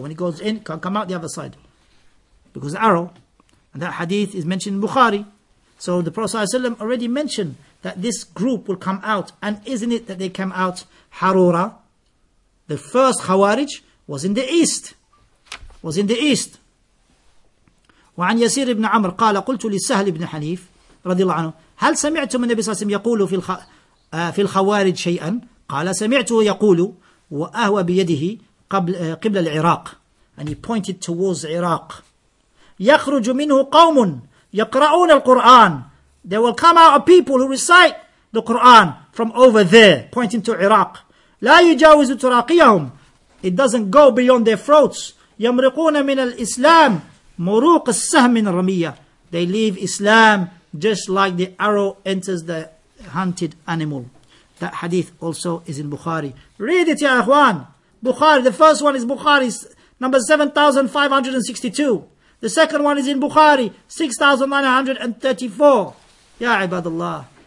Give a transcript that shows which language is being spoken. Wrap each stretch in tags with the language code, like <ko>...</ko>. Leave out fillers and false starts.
<en>When it goes in, it can't come out the other side. Because the arrow, and that hadith is mentioned in Bukhari. So the Prophet ﷺ already mentioned that this group will come out. And isn't it that they came out, Harura, the first Khawarij, was in the east.</en> <ar>وَعَنْ يَسِيرِ بْنَ عَمْرِ قَالَ قُلْتُ لِسَّهْلِ بْنَ حَنِيفِ رضي الله عنه هل سمعتم النبي صلى الله عليه وسلم يقول في الخوارج شيئا؟ قال سمعته يقول وأهو بيده قبل العراق.</ar> <en>And he pointed towards Iraq.</en> <ar>يخرج منه قوم يقرؤون القرآن.</ar> <en>There will come out a people who recite the Quran from over there, pointing to Iraq.</en> <ar>لا يجاوز تراقيهم.</ar> <en>It doesn't go beyond their throats.</en> <ar>يمرقون من الإسلام مروق السهم من الرمية.</ar> <en>They leave Islam just like the arrow enters the hunted animal. That hadith also is in Bukhari. Read it,</en> <ar>ya akhwan.</ar> <en>Bukhari, the first one is Bukhari, number 7562. The second one is in Bukhari, 6934.</en> <ar>Ya ibadallah.</ar>